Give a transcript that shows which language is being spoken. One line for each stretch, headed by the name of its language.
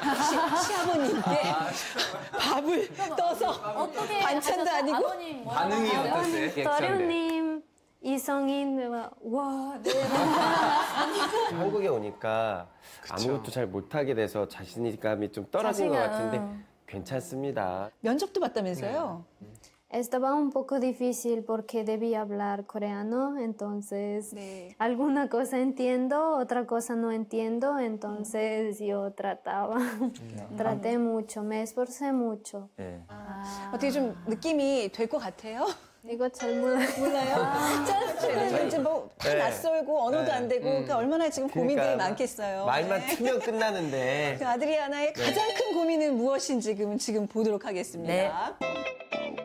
Korean: 시아버님께 밥을 떠서 반찬도 아니고 반응이 어땠어요? 도련님 이성인 와 네. 한국에 오니까 아무것도 잘 못하게 돼서 자신감이 좀 떨어진 것 같은데 괜찮습니다. 면접도 봤다면서요?
Spanish: Estaba un poco difícil porque debí hablar coreano, entonces
Korean: 네.
Spanish: alguna cosa entiendo, otra cosa no entiendo, entonces yo trataba, traté mucho, me esforcé mucho.
Korean: 네. 어떻게 좀 느낌이 될 것 같아요? 이거 잘 몰라요. 몰라요? 짠! 이제 뭐 다 낯설고 언어도 안 되고 그러니까 얼마나 지금 고민들이 그러니까 많겠어요. 말만 틀면 네. 끝나는데. 그 아드리아나의 네. 가장 큰 고민은 무엇인지 지금 보도록 하겠습니다. 네.